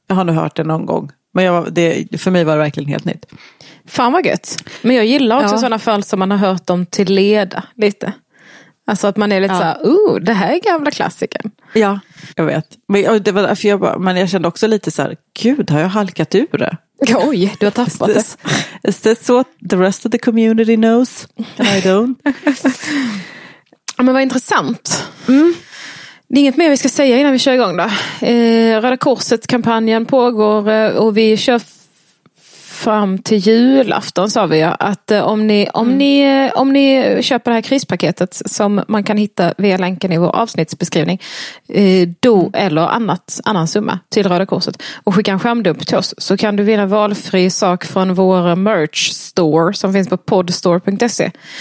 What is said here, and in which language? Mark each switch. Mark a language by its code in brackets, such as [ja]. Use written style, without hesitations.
[sv] Jag har nu hört det någon gång. Men för mig var det verkligen helt nytt. Fan vad gött. Men jag gillar också sådana fall som man har hört om till leda lite. Alltså att man är lite såhär, det här är gamla klassiken. Ja, jag vet. Men jag kände också lite så här, gud, har jag halkat ur det? Oj, du har tappat det. [en] Is this what the rest of the community knows? And I don't. [sv] Men vad intressant. Mm. Det är inget mer vi ska säga innan vi kör igång då. Röda Korset-kampanjen pågår och vi kör fram till julafton, sa vi. Att om ni köper det här krispaketet som man kan hitta via länken i vår avsnittsbeskrivning, då eller annan summa till Röda Korset, och skicka en skärmdump till oss, så kan du vinna valfri sak från vår merch store som finns på podstore.se.